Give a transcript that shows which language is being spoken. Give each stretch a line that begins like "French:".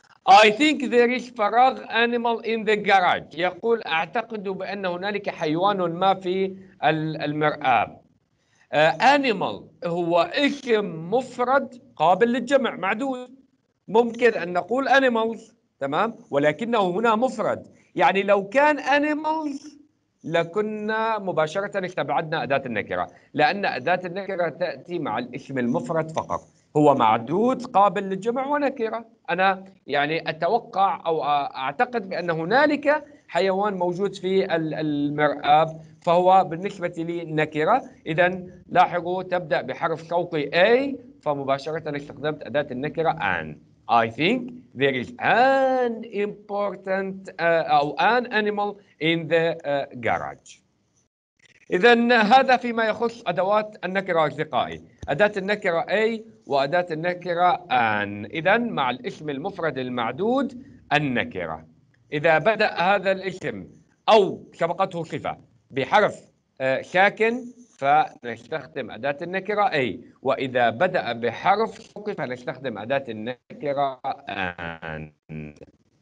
English: I think there is
Arabic: فراغ
English: animal in the garage.
Arabic: يقول أعتقد بأن هنالك حيوان ما في المرآة. Animal هو اسم مفرد قابل للجمع معدود. ممكن أن نقول animals، تمام؟ ولكنه هنا مفرد. يعني لو كان animals لكنا مباشرة استبعدنا أداة النكرة، لأن أداة النكرة تأتي مع الاسم المفرد فقط. هو معدود قابل للجمع ونكرة. أنا يعني أتوقع أو أعتقد بأن هنالك حيوان موجود في المرآب، فهو بالنسبة لي نكرة. إذا لاحظوا تبدأ بحرف شوقي أي، فمباشرة استخدمت أداة النكرة an.
English: I think there is an important
Arabic: أو
English: an animal in the garage.
Arabic: إذا هذا فيما يخص أدوات النكرة أصدقائي، أداة النكرة أي وأداة النكرة an. إذا مع الاسم المفرد المعدود النكرة. إذا بدأ هذا الاسم أو سبقته صفة بحرف ساكن فنستخدم أداة النكرة أي، وإذا بدأ بحرف شوقي فنستخدم أداة النكرة and.